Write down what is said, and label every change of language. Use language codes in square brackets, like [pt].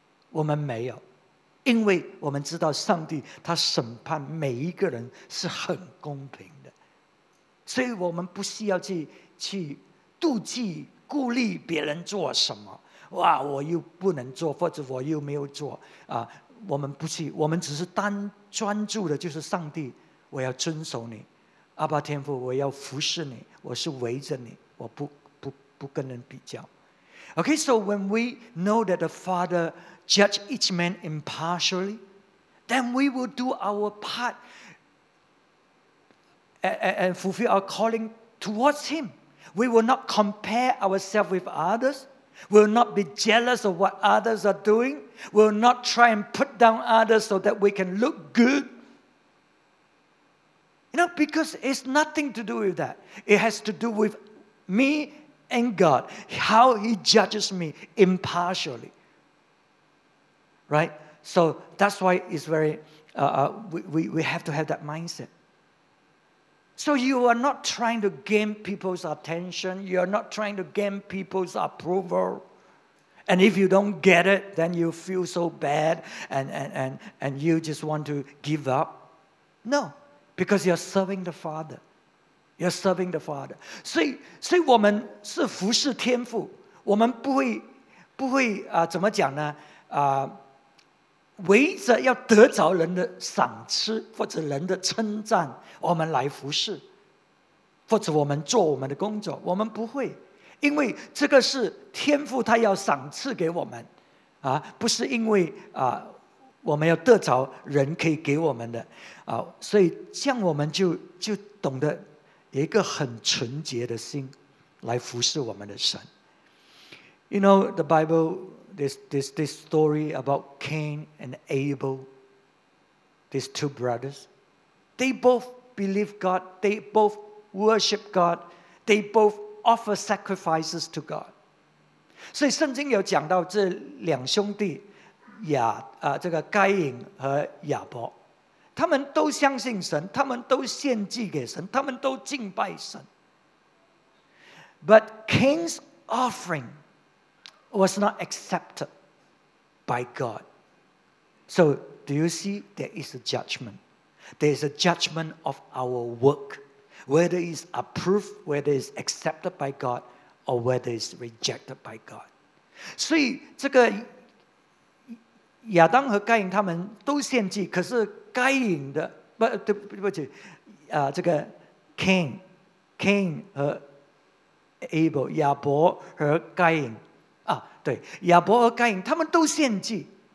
[zh] 我们没有，因为我们知道上帝他审判每一个人是很公平的，所以我们不需要去妒忌顾虑别人做什么，哇，我又不能做，或者我又没有做啊，我们不去，我们只是单专注的就是上帝，我要遵守你，阿爸天父，我要服侍你，我是围着你，我不跟人比较。 [en] Okay, so when we know that the Father judge each man impartially, then we will do our part and fulfill our calling towards Him. We will not compare ourselves with others. We will not be jealous of what others are doing. We will not try and put down others so that we can look good. You know, because it's nothing to do with that. It has to do with me and God, how He judges me impartially. Right? So that's why it's very, we have to have that mindset. So you are not trying to gain people's attention. You are not trying to gain people's approval. And if you don't get it, then you feel so bad and you just want to give up. No. Because you're serving the Father. You're serving the Father. [zh] 所以我们是服侍天父，我们不会、怎么讲呢、围着要得着人的赏赐或者人的称赞我们来服侍，或者我们做我们的工作，我们不会，因为这个是天父他要赏赐给我们、不是因为、我们要得着人可以给我们的、所以这样我们 就懂得有一个很纯洁的心来服侍我们的神。 [en] You know the Bible, this story about Cain and Abel, these two brothers, they both believe God, they both worship God, they both offer sacrifices to God. [zh] 所以圣经有讲到这两兄弟这个该隐和亚伯，他们都相信神，他们都献祭给神，他们都敬拜神。 [en] But Cain's offering was not accepted by God. So do you see there is a judgment? There is a judgment of our work, whether it's approved, whether it's accepted by God, or whether it's rejected by God. [zh] 所以这个亚当和该隐他们都献祭，可是该隐的不，对不起，这个 Cain 和 Abel 亚伯和该隐啊，对，亚伯和该隐他们都献祭。